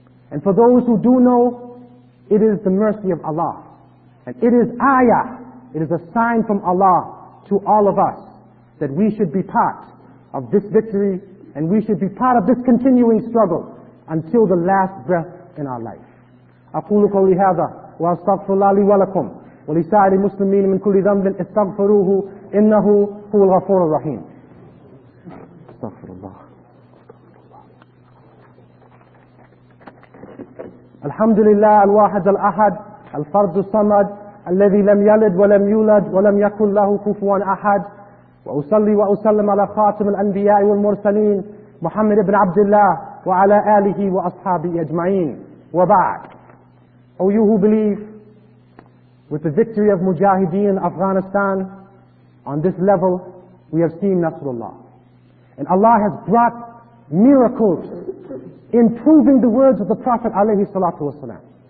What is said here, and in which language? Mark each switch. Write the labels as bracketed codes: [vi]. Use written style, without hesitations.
[en] And for those who do know, it is the mercy of Allah. And it is ayah, it is a sign from Allah to all of us that we should be part of this victory and we should be part of this continuing struggle until the last breath in our life. [ar] أقول قولي هذا وأستغفر الله لي ولكم ولسائر المسلمين من كل ذنب استغفروه إنه هو الغفور الرحيم. استغفر الله. الحمد لله الواحد الأحد الفرد الصمد الذي لم يلد ولم يولد ولم يكن له كفوا أحد وأصلي وأسلم على خاتم الأنبياء والمرسلين محمد بن عبد الله وعلى آله وأصحابه أجمعين وبعد. [en] O you who believe, with the victory of Mujahideen in Afghanistan, on this level, we have seen Nasrullah. And Allah has brought miracles in proving the words of the Prophet alayhi salatu wasalam.